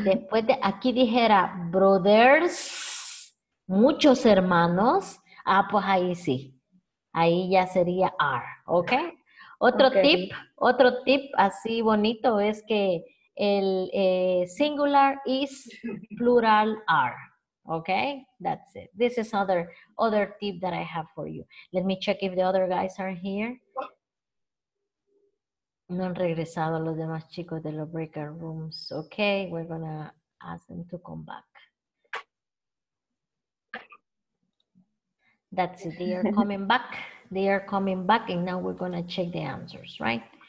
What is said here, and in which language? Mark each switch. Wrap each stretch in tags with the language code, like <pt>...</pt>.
<es>Después de aquí dijera brothers, muchos hermanos, ah, pues ahí sí. Ahí ya sería are. ¿Ok? Otro tip así bonito es que el singular is, plural are.</es> <en>Okay, that's it. This is other tip that I have for you. Let me check if the other guys are here.</en> <es>No han regresado los demás chicos de los breakout rooms.</es> <en>Okay, we're gonna ask them to come back. That's it, they are coming back. They are coming back and now we're gonna check the answers, right?</en>